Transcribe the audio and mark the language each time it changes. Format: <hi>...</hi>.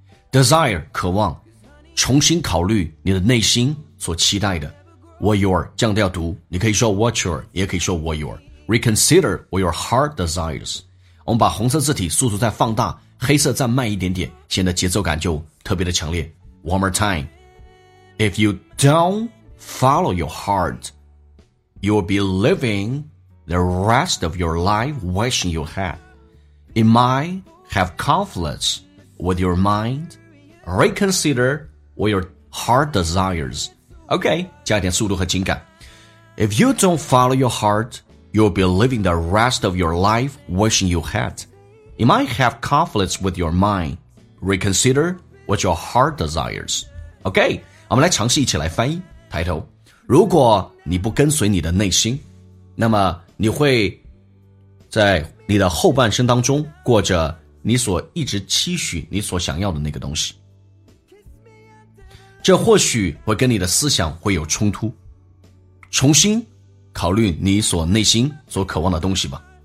<en>Desire</en> <zh>渴望重新考虑你的内心所期待的</zh> <en>What your</en> <zh>降调读你可以说</zh> <en>what your</en> <zh>也可以说</zh> <en>what your Reconsider what your heart desires</en> <zh>我们把红色字体速度再放大黑色再慢一点点显得节奏感就特别的强烈</zh> <en>One more time If you don't follow your heartYou will be living the rest of your life wishing you had. It might have conflicts with your mind. Reconsider what your heart desires.</en> <zh>Okay, 加点速度和情感。</zh> <en>If you don't follow your heart, you will be living the rest of your life wishing you had. It might have conflicts with your mind. Reconsider what your heart desires.</en> <zh>Okay, 我们来尝试一起来翻译 title. 如果你不跟随你的内心，那么你会在你的后半生当中过着你所一直期许你所想要的那个东西，这或许会跟你的思想会有冲突，重新考虑你所内心所渴望的东西吧。</zh>